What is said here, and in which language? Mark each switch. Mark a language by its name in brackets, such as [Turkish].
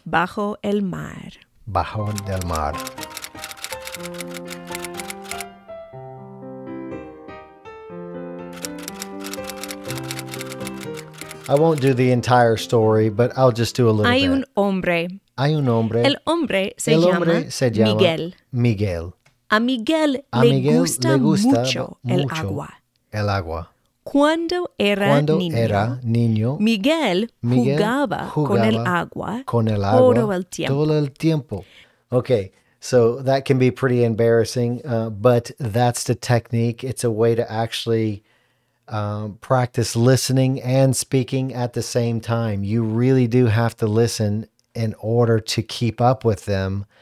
[Spanish] Bajo el mar. Bajo del mar. [English] I won't do the entire story, but I'll just do a little [Spanish] Hay [English] bit. [Spanish] Hay un hombre. Hay un hombre. El hombre se, el hombre llama, se llama Miguel. Miguel. A Miguel, a le, Miguel gusta le gusta mucho, mucho el agua. El agua. Cuando era niño, Miguel jugaba con el agua todo el tiempo. [English] Okay, so that can be pretty embarrassing, but that's the technique. It's a way to actually practice listening and speaking at the same time. You really do have to listen in order to keep up with them.